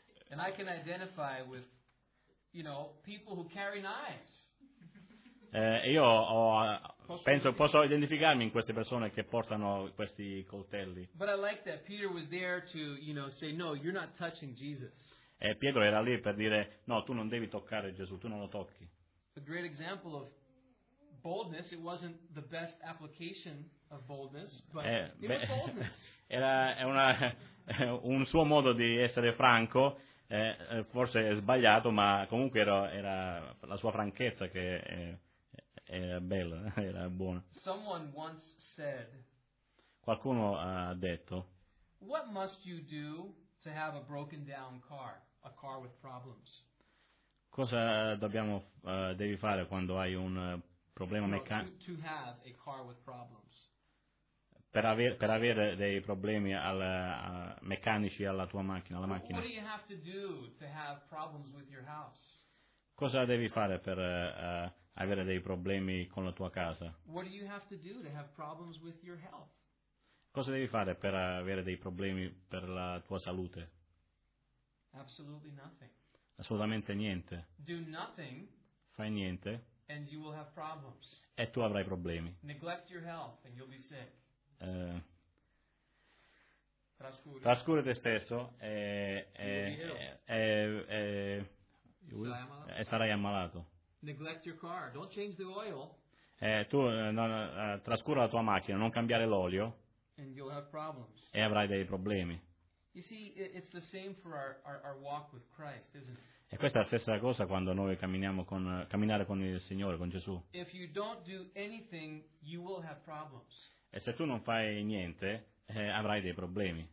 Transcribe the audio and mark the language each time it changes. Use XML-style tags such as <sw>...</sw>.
<en>And I can identify with, you know, people who carry knives.</en> <it>Io ho, penso, posso identificarmi in queste persone che portano questi coltelli.</it> <en>But I like that Peter was there to, you know, say no, you're not touching Jesus.</en> <it>E Pietro era lì per dire no, tu non devi toccare Gesù, tu non lo tocchi.</it> <en>A great example of boldness. It wasn't the best application of boldness, but it was boldness.</en> <it>Era un suo modo di essere franco. Forse è sbagliato, ma comunque era la sua franchezza che era bella, era buona.</it> <en>Someone once said,</en> <it>qualcuno ha detto,</it> <en>what must you do to have a broken down car, a car with problems?</en> <it>Cosa dobbiamo devi fare quando hai un problema meccanico?</it> <en>No, to have a car with problems.</en> <it>Per avere dei problemi meccanici alla tua macchina, alla macchina.</it> <en>What do you have to do to have problems with your house?</en> <it>Cosa devi fare per avere dei problemi con la tua casa?</it> <en>What do you have to do to have problems with your health?</en> <it>Cosa devi fare per avere dei problemi per la tua salute?</it> <en>Absolutely nothing.</en> <it>Assolutamente niente.</it> <en>Do nothing.</en> <it>Fai niente.</it> <en>And you will have problems.</en> <it>E tu avrai problemi.</it> <en>Neglect your health and you'll be sick.</en> <it>Trascura te stesso e sarai ammalato.</it> <en>Neglect your car. Don't change the oil.</en> <it>Trascura la tua macchina, non cambiare l'olio.</it> <en>And you'll have problems.</en> <it>E avrai dei problemi.</it> <en>You see, it's the same for our walk with Christ, isn't it?</en> <it>E questa è la stessa cosa quando noi camminiamo con camminare con il Signore, con Gesù.</it> <en>If you don't do anything, you will have problems.</en> <it>E se tu non fai niente, avrai dei problemi.</it>